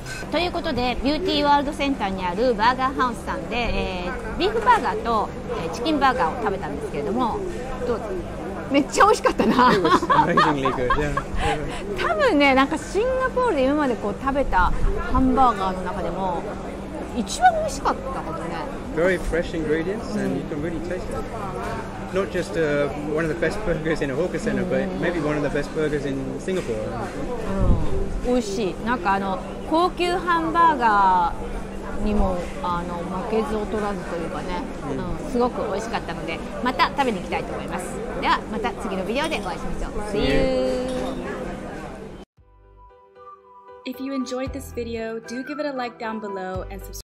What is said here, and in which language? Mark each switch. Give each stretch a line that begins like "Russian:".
Japanese: ということで、ビューティーワールドセンターにあるバーガーハウスさんで、ビーフバーガーと、チキンバーガーを食べたんですけれども、どうめっちゃ美味しかったな。多分ね、なんかシンガポールで今までこう食べたハンバーガーの中でも一番美味しかったことね。
English: Very fresh ingredients and you can really taste it. Not just one of the best burgers in a hawker center, but maybe one of the best burgers in Singapore.
Japanese: 美味しい。なんか高級ハンバーガーにも負けず劣らずというかね、すごく美味しかったので、また食べに行きたいと思います。ではまた次のビデオでお会いしましょう。
English: See you. If you enjoyed this video, do give it a like down below and subscribe.